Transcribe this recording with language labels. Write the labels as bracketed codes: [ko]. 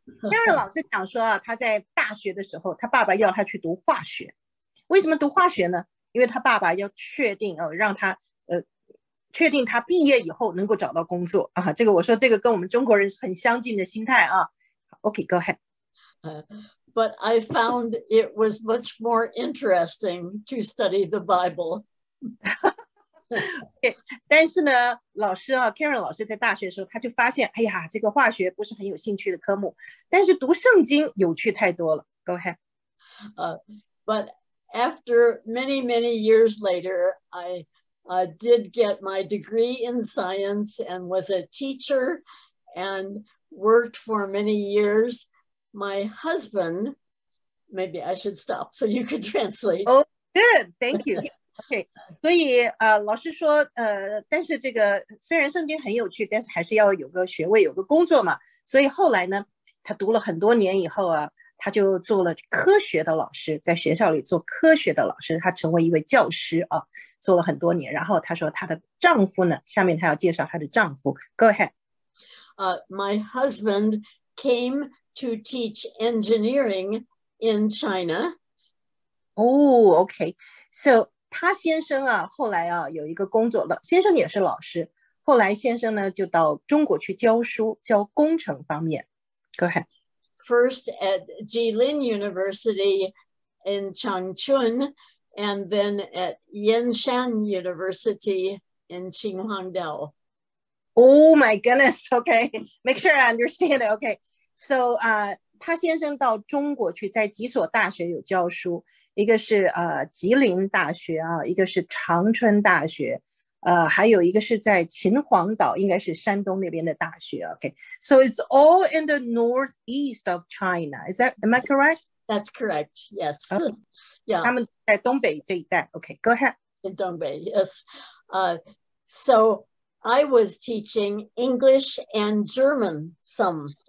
[zh] Karen 老师讲说啊，他在大学的时候，他爸爸要他去读化学。为什么读化学呢？因为他爸爸要确定哦，让他确定他毕业以后能够找到工作啊。这个我说这个跟我们中国人很相近的心态啊。 [en] Okay, go ahead. But I found it was much more interesting to study the Bible. [zh] Okay, 但是呢，老师啊 ，Karen 老师在大学的时候，他就发现，哎呀，这个化学不是很有兴趣的科目，但是读圣经有趣太多了。 [en] Go ahead. But after many, many years later, I did get my degree in science and was a teacher and worked for many years. My husband, maybe I should stop so you could translate. Oh, good. Thank you. Okay. [zh] 所以老师说但是这个虽然圣经很有趣，但是还是要有个学位，有个工作嘛。所以后来呢，他读了很多年以后啊，他就做了科学的老师，在学校里做科学的老师，他成为一位教师啊，做了很多年。然后他说他的丈夫呢，下面他要介绍他的丈夫。 [en] Go ahead. My husband came to teach engineering in China. Oh, okay. [zh] So 他先生啊，后来啊有一个工作了，先生也是老师。后来先生呢就到中国去教书，教工程方面。 [en] Go ahead. First at Jilin University in Changchun, and then at Yanshan University in Qinghuangdao. Oh my goodness. Okay. Make sure I understand it. Okay. [zh] So, 他先生到中国去，在几所大学有教书，一个是吉林大学啊，一个是长春大学，还有一个是在秦皇岛，应该是山东那边的大学。 [en] Okay, so it's all in the northeast of China. Is that am I correct? That's correct. Yes. [zh] Okay. Yeah. 他们在东北这一带。 [en] Okay, go ahead. In 东北 yes. So I was teaching English and German some.